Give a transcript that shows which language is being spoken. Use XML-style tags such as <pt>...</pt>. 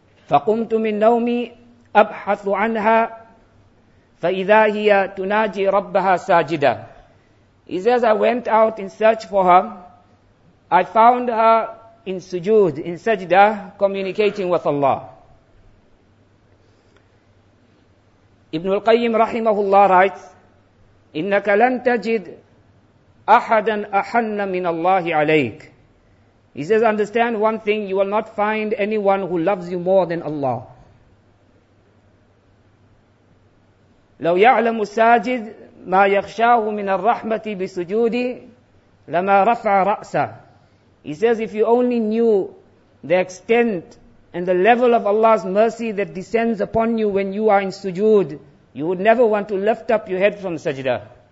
<ar>فَقُمْتُ مِنْ نَوْمِي أَبْحَثُ عَنْهَا فَإِذَا هِيَ تُنَاجِي رَبَّهَا سَاجِدًا.</ar> <en>He says, I went out in search for her. I found her in sujood, in sajda, communicating with Allah. Ibn al-Qayyim rahimahullah writes,</en> <ar>إِنَّكَ لَن تَجِدْ أَحَدًا أَحَنَّ مِنَ اللَّهِ عَلَيْكَ.</ar> <en>He says, understand one thing, you will not find anyone who loves you more than Allah.</en> <ar>لَوْ يَعْلَمُ السَّاجِدْ مَا يَخْشَاهُ مِنَ الرَّحْمَةِ بِسُجُودِ لَمَا رَفْعَ رَأْسَهُ.</ar> <en>He says, if you only knew the extent and the level of Allah's mercy that descends upon you when you are in sujood, you would never want to lift up your head from sajda.</en>